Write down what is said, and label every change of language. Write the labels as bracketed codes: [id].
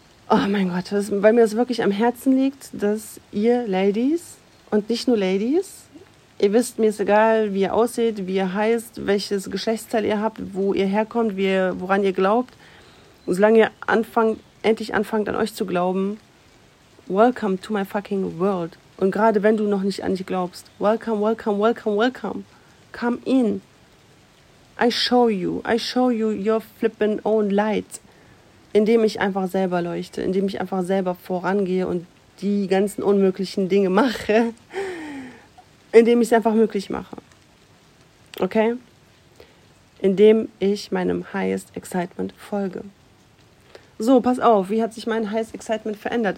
[de] Oh mein Gott, weil mir das wirklich am Herzen liegt, dass ihr Ladies und nicht nur Ladies, ihr wisst, mir ist egal, wie ihr aussieht, wie ihr heißt, welches Geschlechtsteil ihr habt, wo ihr herkommt, woran ihr glaubt, und solange ihr endlich anfangt an euch zu glauben, [en] welcome to my fucking world. [de] Und gerade wenn du noch nicht an dich glaubst, [en] welcome, welcome, welcome, welcome, come in. I show you your flipping own light. [de] Indem ich einfach selber leuchte, indem ich einfach selber vorangehe und die ganzen unmöglichen Dinge mache, indem ich es einfach möglich mache. Okay? Indem ich meinem Highest Excitement folge. So, pass auf, wie hat sich mein Highest Excitement verändert?